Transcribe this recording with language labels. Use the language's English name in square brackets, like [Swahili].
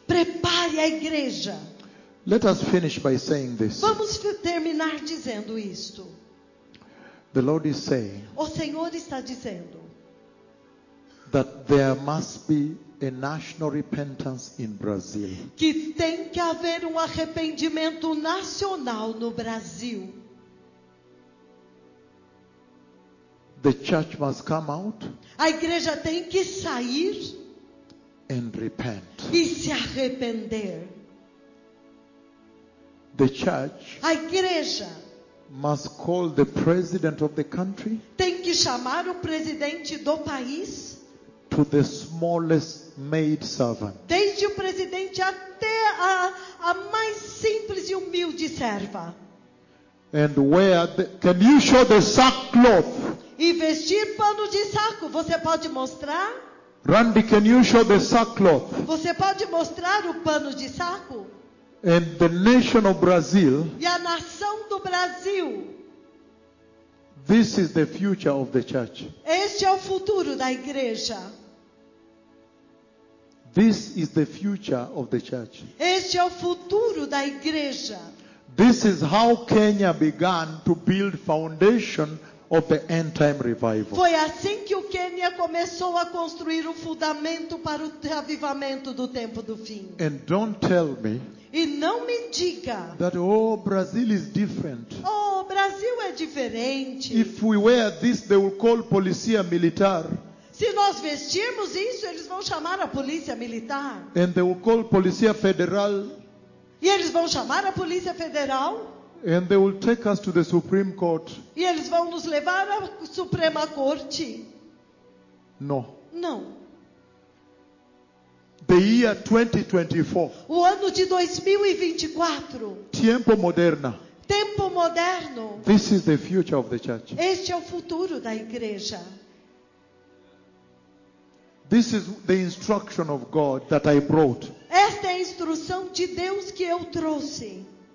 [Portuguese] Prepare a igreja. [English] Let us finish by saying this. [Portuguese] Vamos terminar dizendo isto. [English] The Lord is saying, [Portuguese] o Senhor está dizendo, [English] that there must be a national repentance in Brazil. [Portuguese] Que tem que haver arrependimento nacional no Brasil. [English] The church must come out. [Portuguese] A igreja tem que sair. [English] And repent. [Portuguese] E se arrepender. [English] The church. [Portuguese] A igreja. [English] Must call the president of the country. [Portuguese] Tem que chamar o presidente do país. [English] To the smallest maid servant. [Portuguese] Desde o presidente até a mais simples e humilde serva. [English] And wear the, can you show the sackcloth? [Portuguese] E vestir pano de saco, você pode mostrar? [English] Randy, can you show the sackcloth? [Portuguese] Você pode mostrar o pano de saco? [English] And the nation of Brazil, [Portuguese] e a nação do Brasil. [English] This is the future of the church. [Portuguese] Este é o futuro da igreja. [English] This is the future of the church. [Portuguese] Este é o futuro da igreja. [English] This is how Kenya began to build foundation of the end time revival. [Portuguese] Foi assim que o Quênia começou a construir o fundamento para o avivamento do tempo do fim. [English] And don't tell me. [Portuguese] E não me diga. [English] That, oh, Brazil is different. [Portuguese] Oh, Brasil é diferente. [English] If we wear this, they will call policia militar. [Portuguese] Se nós vestirmos isso, eles vão chamar a polícia militar. [English] And they will call policia federal. [Portuguese] E eles vão chamar a polícia federal. [English] And they will take us to the Supreme Court. [Portuguese] E eles vão nos levar à Suprema Corte. [English] No. [Portuguese] Não. [English] The year 2024. [Portuguese] O ano de 2024. Tempo moderno. Tempo moderno. [English] This is the future of the church. [Portuguese] Este é o futuro da igreja. [English] This is the instruction of God that I brought. [Portuguese] Esta é a instrução de Deus que eu trouxe.